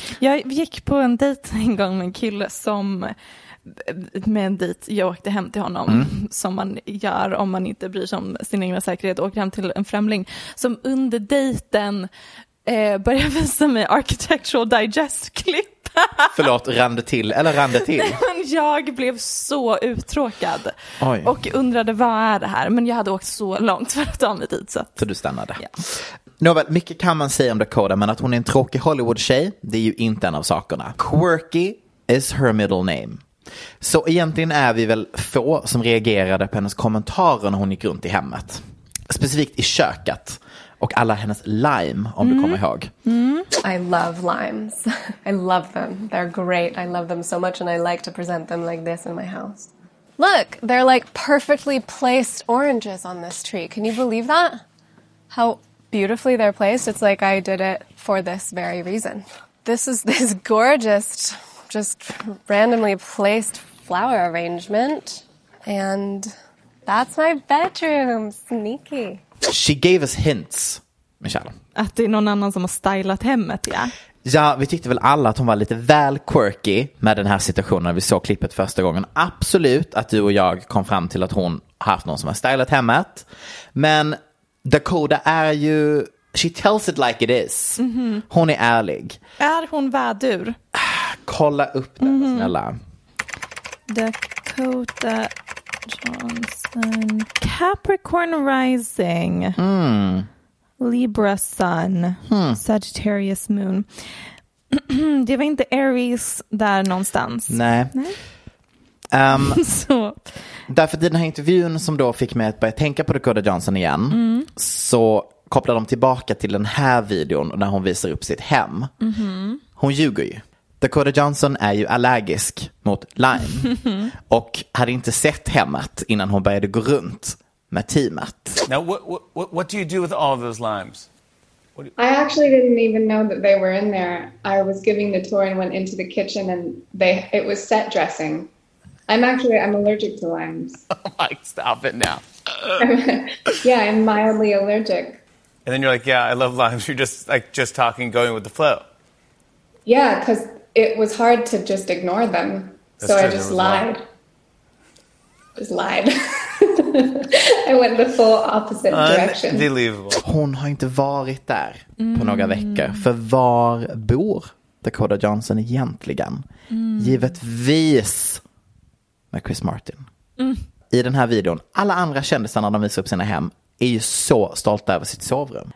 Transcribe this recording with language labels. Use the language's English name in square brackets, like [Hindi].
[Swedish] Jag gick på en dejt en gång med en kille som... Med en dejt, jag åkte hem till honom som man gör om man inte bryr sig om sin egen säkerhet, åker hem till en främling som under dejten börjar visa mig Architectural Digest-klipp. Förlåt, rande till, eller rande till. Men jag blev så uttråkad. Oj. Och undrade, vad är det här? Men jag hade åkt så långt för att ta mig dit. Så du stannade. Ja. Nåväl, mycket kan man säga om Dakota, men att hon är en tråkig Hollywood-tjej, det är ju inte en av sakerna. [English] Quirky is her middle name. [Swedish] Så egentligen är vi väl få som reagerade på hennes kommentarer när hon gick runt i hemmet. Specifikt i köket. Och alla hennes lime, om du kommer ihåg. Mm. [English] I love limes. I love them. They're great. I love them so much and I like to present them like this in my house. Look, they're like perfectly placed oranges on this tree. Can you believe that? How beautifully they're placed. It's like I did it for this very reason. This is this gorgeous... just randomly placed flower arrangement and that's my bedroom. Sneaky. She gave us hints, Michelle. [Swedish] Att det är någon annan som har stylat hemmet, ja. Ja, vi tyckte väl alla att hon var lite väl quirky med den här situationen när vi såg klippet första gången. Absolut att du och jag kom fram till att hon haft någon som har stylat hemmet. Men Dakota är ju, [English] she tells it like it is. Mm-hmm. [Swedish] Hon är ärlig. Är hon vädur? Kolla upp den, snälla. Dakota Johnson. [English] Capricorn rising. Mm. Libra sun. Hmm. Sagittarius moon. [Swedish] Det var inte Aries där någonstans. Nej. Nej? så. Därför den här intervjun som då fick mig att börja tänka på Dakota Johnson igen. Mm. Så kopplar de tillbaka till den här videon när hon visar upp sitt hem. Mm-hmm. Hon ljuger ju. Dakota Johnson är ju allergisk mot lime. Och hade inte sett hemmet innan hon började gå runt med teamet. [English] Now what do you do with all those limes? I actually didn't even know that they were in there. I was giving the tour and went into the kitchen and it was set dressing. I'm allergic to limes. Oh my, stop it now. Yeah, I'm mildly allergic. And then you're like, yeah, I love limes. You're just like just talking, going with the flow. Yeah, because it was hard to just ignore them. That's so true. I just lied. I went the full opposite direction. Unbelievable. [Swedish] Hon har inte varit där på några veckor. För var bor Dakota Johnson egentligen? Mm. Givetvis med Chris Martin. Mm. I den här videon, alla andra kändisar när de visar upp sina hem är ju så stolta över sitt sovrum.